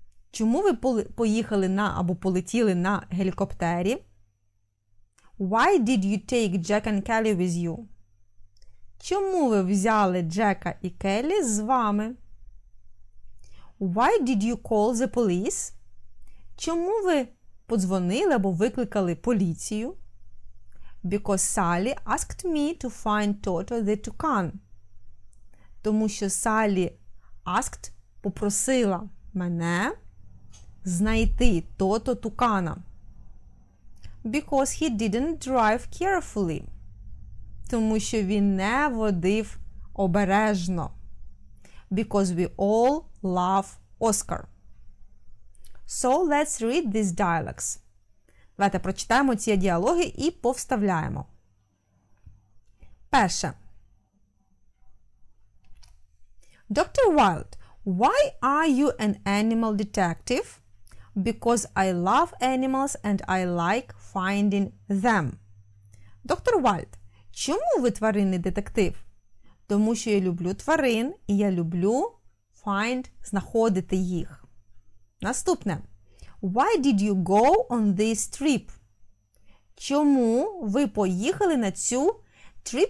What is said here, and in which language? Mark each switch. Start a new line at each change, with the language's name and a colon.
Ukrainian: Чому ви поїхали на або полетіли на гелікоптері?
English: Why did you take Jack and Kelly with you?
Ukrainian: Чому ви взяли Джека і Келлі з вами?
English: Why did you call the police?
Ukrainian: Чому ви подзвонили або викликали поліцію?
English: Because Sally asked me to find Toto the toucan.
Ukrainian: Тому що Sally
English: asked,
Ukrainian: попросила мене знайти Тото тукана.
English: Because he didn't drive carefully.
Ukrainian: Тому що він не водив обережно.
English: Because we all love Oscar. So let's read these dialogues.
Ukrainian: Давайте прочитаємо ці діалоги і повставляємо. Перше.
English: Dr. Wild, why are you an animal detective? Because I love animals and I like finding them. Dr.
Ukrainian: Wild, чому ви тваринний детектив? Тому що я люблю тварин і я люблю find, знаходити їх. Наступне.
English: Why did you go on this trip?
Ukrainian: Чому ви поїхали на цю trip?